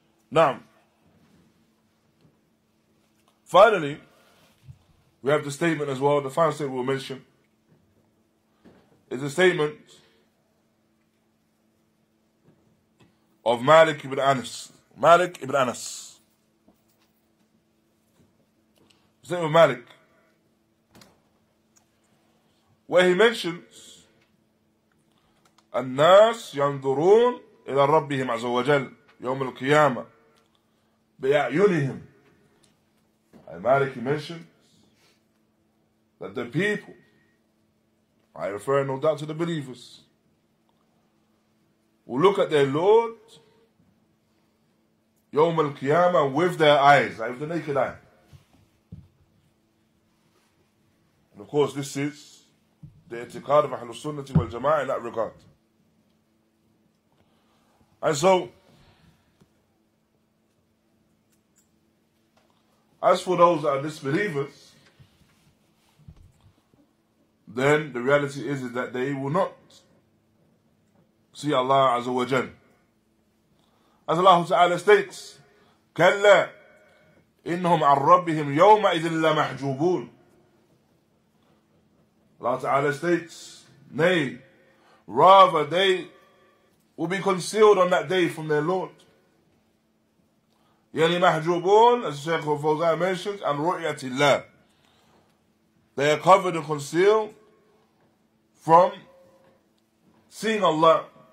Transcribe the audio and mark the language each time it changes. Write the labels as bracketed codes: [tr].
[en] Now, finally, we have the statement as well, the final statement we'll mention, is a statement of Malik ibn Anas. Malik ibn Anas. The statement of Malik, where he mentions, [ar] الناس ينظرون إلى ربهم عز وجل يوم القيامة بأعينهم. [en] Al-Maliki mentions that the people, I refer no doubt to the believers, will look at their Lord [ar] يوم القيامة [en] with their eyes, like with the naked eye. And of course this is the i'tiqad of Ahlul Sunnah wal Jama'ah in that regard. And so, as for those that are disbelievers, then the reality is that they will not see Allah Azza wa Jal. As Allah Ta'ala states, [ar] كَلَّا إِنْهُمْ عَنْ رَبِّهِمْ يَوْمَئِذٍ لَمَحْجُوبُونَ. [en] Allah Ta'ala states, nay, rather they will be concealed on that day from their Lord. [ar] يَنِي مَحْجُوبُونَ, [en] as Shaykh al-Fawzan mentions, and [ar] رُؤْيَةِ اللَّهِ. [en] They are covered and concealed from seeing Allah.